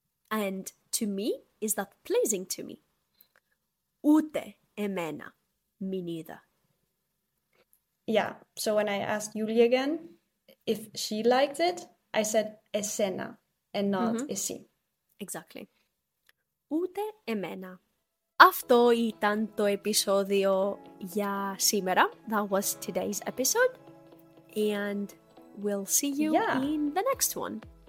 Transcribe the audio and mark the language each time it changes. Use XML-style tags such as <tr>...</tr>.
<en>And to me, is that pleasing to me?</en> <el>Ούτε εμένα.</el> <en>Me neither. Yeah, so when I asked Yuli again if she liked it, I said</en> <el>εσένα</el> <en>and not mm-hmm.</en> <el>εσύ.</el> <en>Exactly.</en> <el>Ούτε εμένα. Αυτό ήταν το επεισόδιο για σήμερα.</el> <en>That was today's episode. And we'll see you in the next one.</en>